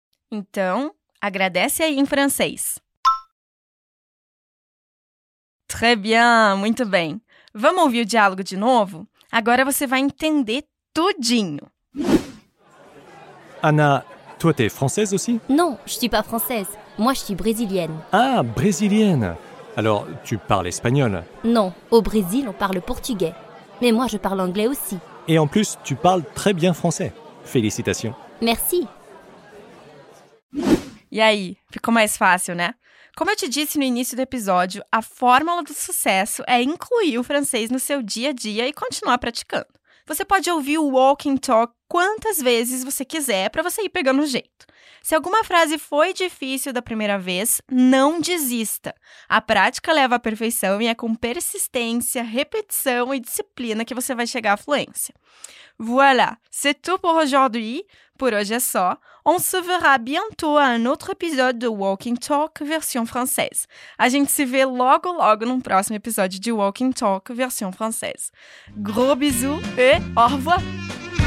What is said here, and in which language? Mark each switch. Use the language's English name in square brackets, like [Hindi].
[Portuguese] Então, agradece aí em francês. [French] Très bien! [Portuguese] Muito bem! Vamos ouvir o diálogo de novo? Agora você vai entender tudinho. [French] Ana, toi t'es française aussi? Non, je suis pas française. Moi, je suis brésilienne. Ah, brésilienne. Alors, tu parles espagnol? Non, au Brésil, on parle portugais. Mais moi, je parle anglais aussi. Et en plus, tu parles très bien français. Félicitations. Merci. [Portuguese] E aí, ficou mais fácil, né? Como eu te disse no início do episódio, a fórmula do sucesso é incluir o francês no seu dia a dia e continuar praticando. Você pode ouvir o Walking Talk quantas vezes você quiser para você ir pegando o jeito. Se alguma frase foi difícil da primeira vez, não desista. A prática leva à perfeição e é com persistência, repetição e disciplina que você vai chegar à fluência. [French] Voilà, c'est tout pour aujourd'hui. [Portuguese] Por hoje é só. [French] On se verra bientôt à un autre épisode de Walking Talk version française. [Portuguese] A gente se vê logo, logo num próximo episódio de Walking Talk version française. [French] Gros bisous et au revoir!